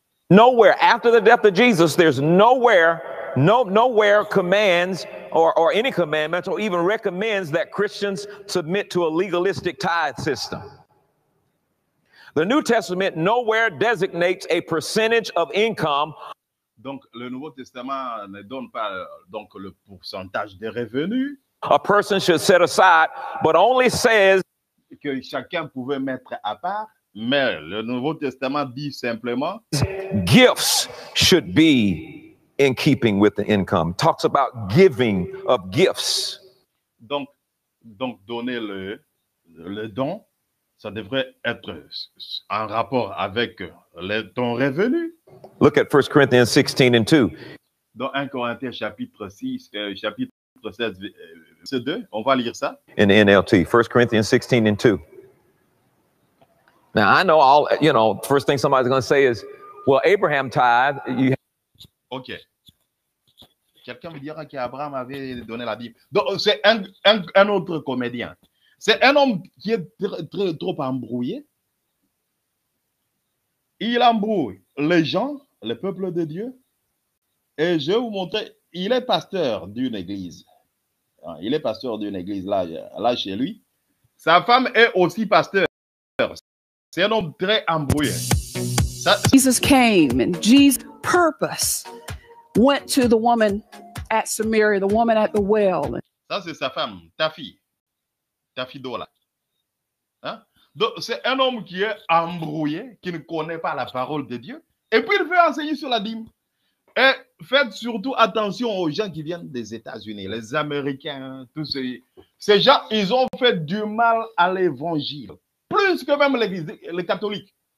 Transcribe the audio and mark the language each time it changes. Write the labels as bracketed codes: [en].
[en] Nowhere after the death of Jesus, there's nowhere commands or any commandments, or even recommends that Christians submit to a legalistic tithe system. The New Testament nowhere designates a percentage of income. [fr] Donc le Nouveau Testament ne donne pas donc le pourcentage des revenus. [en] A person should set aside, but only says [fr] que chacun pouvait mettre à part. Mais le Nouveau Testament dit simplement [en] gifts should be in keeping with the income. Talks about giving of gifts. [fr] Donc donner le don. Ça devrait être en rapport avec ton revenu. [en] Look at 1 Corinthians 16 and 2. [fr] Dans 1 Corinthiens chapitre 16, verset 2, on va lire ça. [en] In the NLT, 1 Corinthians 16 and 2. Now, I know all, you know, the first thing somebody's going to say is, well, Abraham tithe. You OK. [fr] Quelqu'un me dira qu'Abraham avait donné la Bible. Donc, c'est un autre comédien. C'est un homme qui est trop embrouillé. Il embrouille les gens, le peuple de Dieu. Et je vais vous montrer, il est pasteur d'une église. Il est pasteur d'une église là chez lui. Sa femme est aussi pasteur. C'est un homme très embrouillé. [en] Ça, Jesus came and Jesus' purpose went to the woman at Samaria, the woman at the well. [fr] Ça, c'est sa femme, ta fille. Ta fille d'Ola. Hein? Donc, c'est un homme qui est embrouillé, qui ne connaît pas la parole de Dieu. Et puis, il veut enseigner sur la dîme. Et faites surtout attention aux gens qui viennent des États-Unis, les Américains, tous ces gens, ils ont fait du mal à l'évangile, plus que même les catholiques.